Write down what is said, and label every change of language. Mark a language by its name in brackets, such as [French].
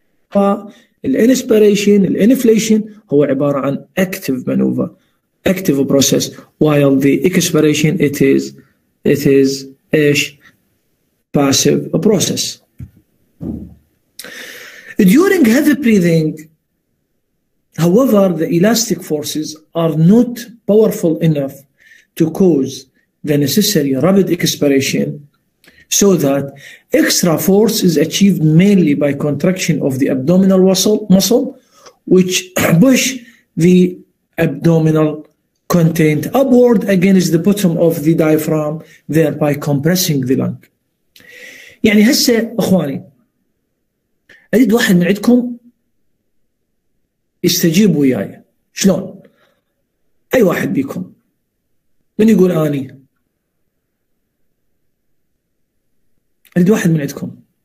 [English] ف الانسبيريشن الانفليشن [Arabic] هو عباره عن [English] Active manoeuvre active process, while the expiration it is ايش passive process. During heavy breathing, however, the elastic forces are not powerful enough to cause the necessary rapid expiration, so that extra force is achieved mainly by contraction of the abdominal muscle, which push the abdominal content upward against the bottom of the diaphragm, thereby compressing the lung. [Arabic] يعني هسه إخواني، أريد واحد من عندكم يستجيب وياي. شلون؟ أي واحد بيكم من يقول آني؟ أريد واحد من عندكم.